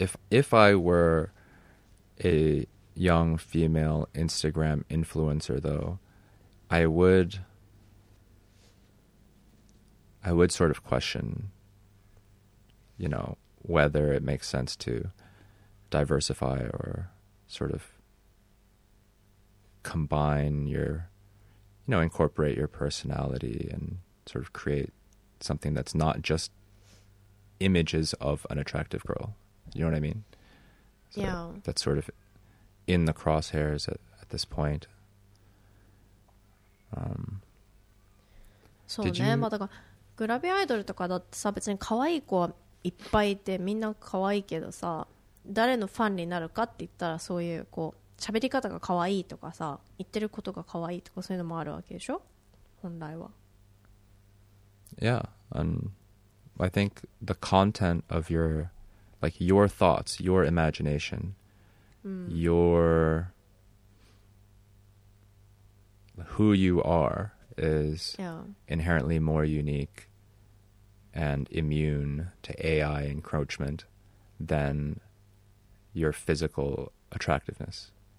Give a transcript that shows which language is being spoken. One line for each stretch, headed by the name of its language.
English: If I were a young female Instagram influencer, though, I would sort of question, you know, whether it makes sense to diversify or sort of combine your, you know, incorporate your personality and sort of create something that's not just images of an attractive girl. You know what I mean? So yeah. That's sort of in the crosshairs at this point. So, did you...
Japanese: またグラビアアイドルとかだってさ、別に可愛い子はいっぱいいてみんな可愛いけどさ、誰のファンになるかって言ったら、そういうこう喋り方が可愛いとかさ、言ってることが可愛いとか、そういうのもあるわけでしょ、本来は。
English: Yeah, and I think the content of your, like your thoughts, your imagination, your who you are is inherently more unique and immune to AI encroachment than your physical attractiveness.